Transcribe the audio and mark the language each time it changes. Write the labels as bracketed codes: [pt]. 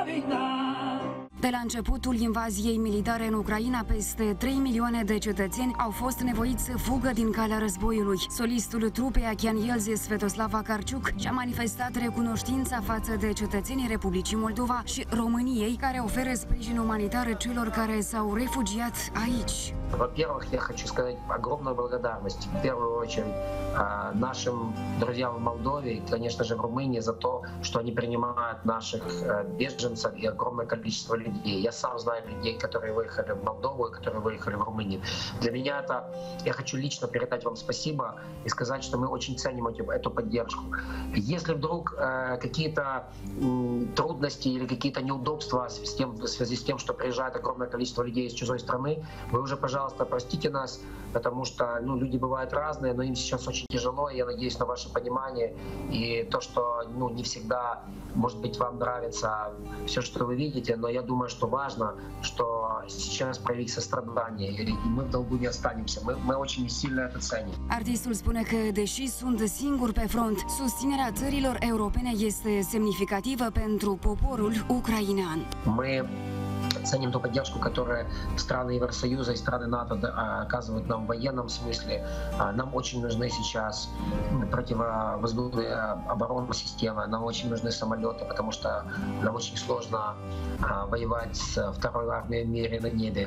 [ro] La începutul invaziei militare în Ucraina, peste 3 milioane de cetățeni au fost nevoiți să fugă din calea războiului. Solistul trupei Achean Yelze, Svetoslava Karciuk, și-a manifestat recunoștința față de cetățenii Republicii Moldova și României, care oferă sprijin umanitar celor care s-au refugiat aici. [ru] Во-первых, я хочу сказать огромную благодарность в первую очередь нашим друзьям в Молдове и, конечно же, в Румынии за то, что они принимают наших беженцев и огромное количество людей. Я сам знаю людей, которые выехали в Молдову и которые выехали в Румынию. Для меня это... Я хочу лично передать вам спасибо и сказать, что мы очень ценим эту поддержку. Если вдруг какие-то трудности или какие-то неудобства в связи с тем, что приезжает огромное количество людей из чужой страны, вы уже, пожалуйста, простите нас, потому что люди бывают разные, но им сейчас очень тяжело, и я надеюсь на ваше понимание и то, что не всегда, может быть, вам нравится все, что вы видите, но я думаю, что важно, что сейчас проявить сострадание, и мы в долгу не останемся, мы очень сильно это ценим. [ro] Артистul spune că, deși sunt singur pe front, susținerea țărilor europene este semnificativă pentru poporul ucrainean. [ru] Мы ценим ту поддержку, которую страны Евросоюза и страны НАТО оказывают нам в военном смысле. Нам очень нужны сейчас противовоздушные оборонные системы, нам очень нужны самолеты, потому что нам очень сложно воевать с второй армией в мире на небе.